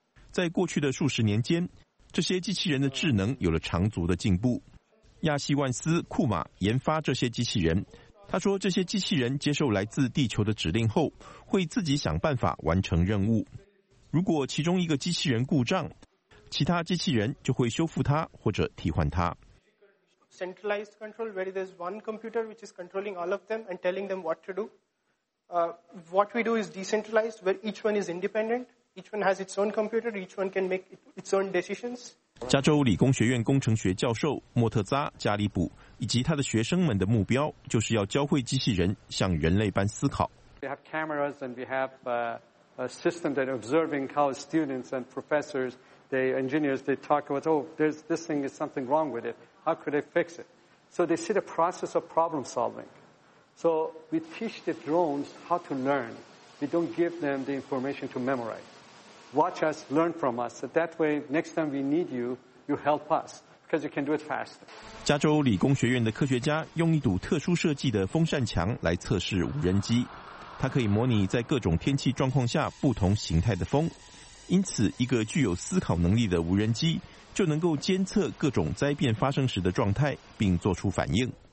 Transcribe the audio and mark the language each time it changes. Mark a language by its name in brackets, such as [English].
[Chinese] 在过去的数十年间，这些机器人的智能有了长足的进步。亚西万斯·库玛研发这些机器人，他说这些机器人接受来自地球的指令后，会自己想办法完成任务。如果其中一个机器人故障，其他机器人就会修复它或者替换它。 [English] Centralized control where there's one computer which is controlling all of them and telling them what to do. What we do is decentralized where each one is independent. Each one has its own computer. Each one can make its own decisions. [Chinese] 加州理工学院工程学教授莫特扎·加里卜以及他的学生们的目标就是要教会机器人像人类般思考。 [English] We have cameras and we have a system that observing college students and professors, the engineers, they talk about, this thing is something wrong with it. How could I fix it? So they see the process of problem solving. So we teach the drones how to learn. We don't give them the information to memorize. Watch us, learn from us. So that way, next time we need you, you help us. Because you can do it faster. [Chinese] 加州理工学院的科学家用一堵特殊设计的风扇墙来测试无人机。它可以模拟在各种天气状况下不同形态的风。因此，一个具有思考能力的无人机就能够监测各种灾变发生时的状态，并做出反应。